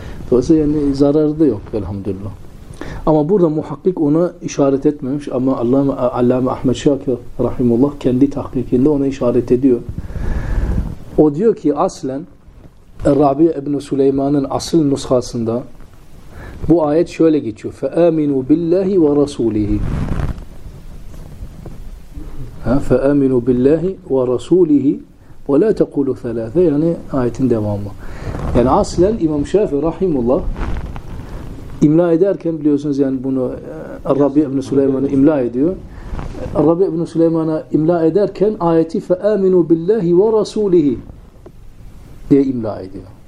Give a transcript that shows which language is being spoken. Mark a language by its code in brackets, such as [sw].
[tr] Dolayısıyla yani zararı da yok elhamdülillah. Ama burada muhakkik ona işaret etmemiş ama Allame Ahmet Şakir rahimullah kendi tahkikinde ona işaret ediyor. O diyor ki aslen Rabi'ye İbn-i Süleyman'ın asıl nushasında bu ayet şöyle geçiyor. [ar] فَاَمِنُوا بِاللّٰهِ وَرَسُولِهِ فَاَمِنُوا بِاللّٰهِ وَرَسُولِهِ وَلَا تَقُولُوا ثَلَاثَ [tr] yani ayetin devamı. Yani aslen İmam Şafii Rahimullah imla ederken biliyorsunuz yani bunu Rabi'ye İbn-i Süleyman'ı imla ediyor. Rabi İbn Süleyman'a imla ederken ayeti [ar] فَاَمِنُوا بِاللّٰهِ وَرَسُولِهِ [tr] diye imla ediyor.